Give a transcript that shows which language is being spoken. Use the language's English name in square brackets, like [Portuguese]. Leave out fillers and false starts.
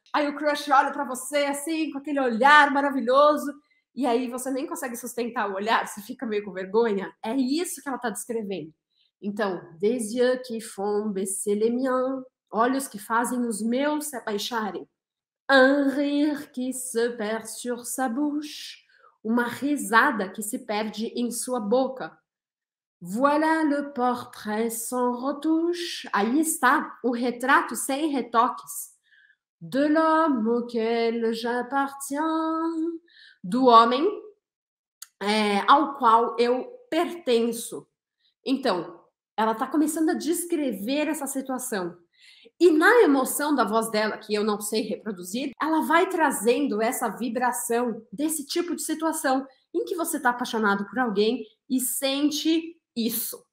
[Portuguese] Aí o crush olha pra você assim, com aquele olhar maravilhoso. E aí você nem consegue sustentar o olhar. Você fica meio com vergonha. É isso que ela tá descrevendo. Então, [French] des yeux qui font baisser les miens. [Portuguese] Olhos que fazem os meus se abaixarem. [French] Un rire qui se perd sur sa bouche. [Portuguese] Uma risada que se perde em sua boca. [French] Voilà le portrait sans retouche. [Portuguese] Aí está o retrato sem retoques. [French] De l'homme auquel j'appartiens. [Portuguese] Do homem ao qual eu pertenço. Então, ela está começando a descrever essa situação. E na emoção da voz dela, que eu não sei reproduzir, ela vai trazendo essa vibração desse tipo de situação em que você está apaixonado por alguém e sente isso.